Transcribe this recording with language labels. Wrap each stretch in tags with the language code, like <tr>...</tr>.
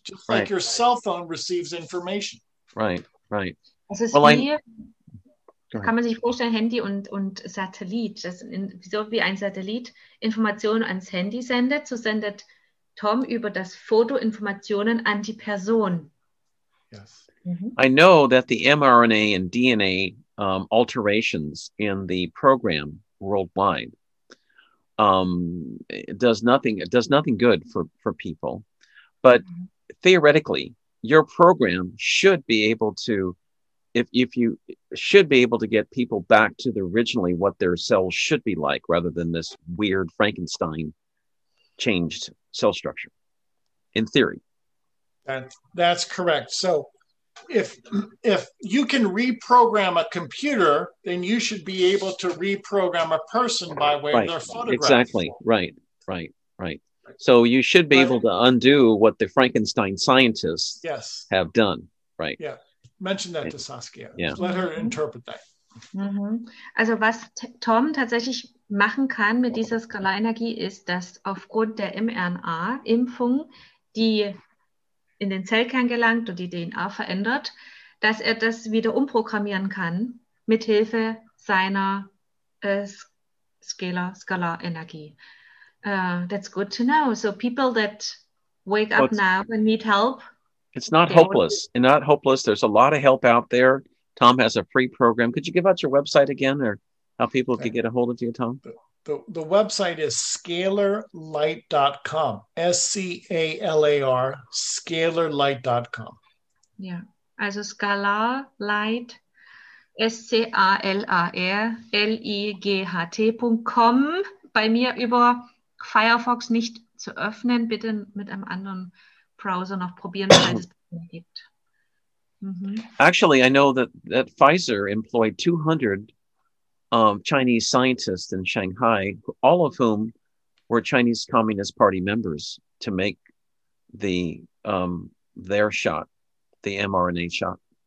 <en>just like your cell phone receives information. Right.</en> <de>Also es ist hier, kann man sich vorstellen, Handy und Satellit, so wie ein Satellit Informationen ans Handy sendet, so sendet Tom über das Foto Informationen an die Person.</de> <en>Yes. I know that the mRNA and DNA alterations in the program worldwide does nothing good for people. But theoretically, your program should be able to, if you should be able to get people back to the originally what their cells should be like, rather than this weird Frankenstein changed cell structure, in theory. That's correct. So if you can reprogram a computer, then you should be able to reprogram a person by way of their photograph. Exactly. Right. So you should be able to undo what the Frankenstein scientists have done. Right. Yeah. Mention that to Saskia. Yeah. Let her interpret that. Mm-hmm.</en> <de>Also was Tom tatsächlich machen kann mit dieser Skalarenergie ist, dass aufgrund der mRNA-Impfung die in den Zellkern gelangt und die DNA verändert, dass er das wieder umprogrammieren kann mit Hilfe seiner Scalar Energie.</de> <en>That's good to know. So people that wake up now and need help. It's not hopeless. Not hopeless. There's a lot of help out there. Tom has a free program. Could you give out your website again or how people could get a hold of you, Tom? The website is scalarlight.com, S-C-A-L-A-R, scalarlight.com.</en> <de>Yeah, also scalarlight, scalarlight.com. Bei mir über Firefox nicht zu öffnen, bitte mit einem anderen Browser noch probieren, weil es gibt.</de> <en>Actually, I know that Pfizer employed 200 Chinese scientists in Shanghai, all of whom were Chinese Communist Party members, to make the their shot, the mRNA shot.</en>